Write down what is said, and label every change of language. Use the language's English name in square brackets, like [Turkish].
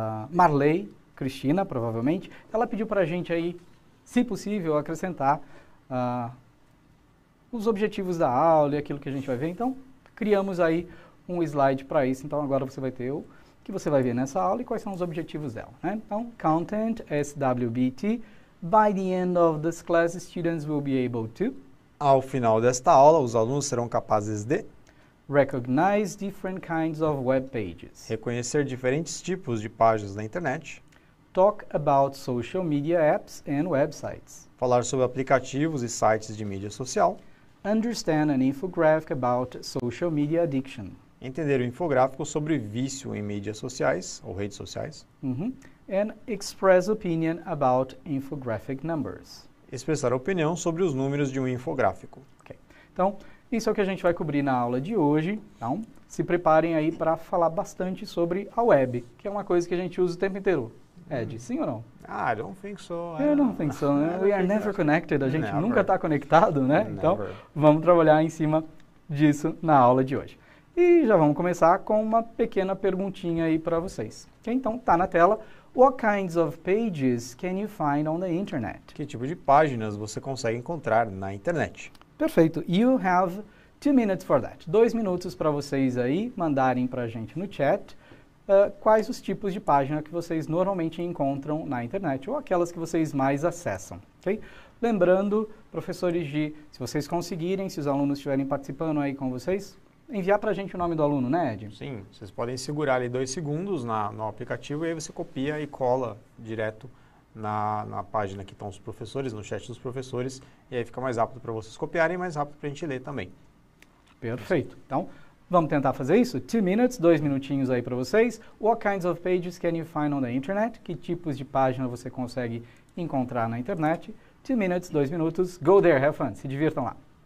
[Portuguese] Marley, Cristina, provavelmente, ela pediu para a gente aí, se possível, acrescentar os objetivos da aula e aquilo que a gente vai ver. Então, criamos aí um slide para isso. Então, agora você vai ter o que você vai ver nessa aula e quais são os objetivos dela, né? [English] Então, content, SWBT, by the end of this class, students will be able to... [Portuguese] Ao final desta aula, os alunos serão capazes de... [English] Recognize different kinds of web pages. [Portuguese] Reconhecer diferentes tipos de páginas na internet. [English] Talk about social media apps and websites. [Portuguese] Falar sobre aplicativos e sites de mídia social. [English] Understand an infographic about social media addiction. [Portuguese] Entender um infográfico sobre vício em mídias sociais ou redes sociais. [English] Uhum. And express opinion about infographic numbers. [Portuguese] Expressar opinião sobre os números de um infográfico. Ok. Então, isso é o que a gente vai cobrir na aula de hoje, então se preparem aí para falar bastante sobre a web, que é uma coisa que a gente usa o tempo inteiro. Ed, sim ou não? [English] Ah, I don't think so. We are never connected, [Portuguese] a gente nunca está conectado, né? Never. Então, vamos trabalhar em cima disso na aula de hoje. E já vamos começar com uma pequena perguntinha aí para vocês. Então, tá na tela. [English] What kinds of pages can you find on the internet? [Portuguese] Que tipo de páginas você consegue encontrar na internet? Perfeito. [English] You have 2 minutes for that. [Portuguese] 2 minutos para vocês aí mandarem para a gente no chat quais os tipos de página que vocês normalmente encontram na internet ou aquelas que vocês mais acessam, ok? Lembrando, professores, de se vocês conseguirem, se os alunos estiverem participando aí com vocês, enviar para a gente o nome do aluno, né, Ed? Sim, vocês podem segurar ali 2 segundos no aplicativo e aí você copia e cola direto Na página que estão os professores, no chat dos professores, e aí fica mais rápido para vocês copiarem e mais rápido para a gente ler também. Perfeito. Então, vamos tentar fazer isso? [English] 2 minutes, [Portuguese] 2 minutinhos aí para vocês. [English] What kinds of pages can you find on the internet? [Portuguese] Que tipos de página você consegue encontrar na internet? [English] 2 minutes, [Portuguese] 2 minutos. [English] Go there, have fun. [Portuguese] Se divirtam lá.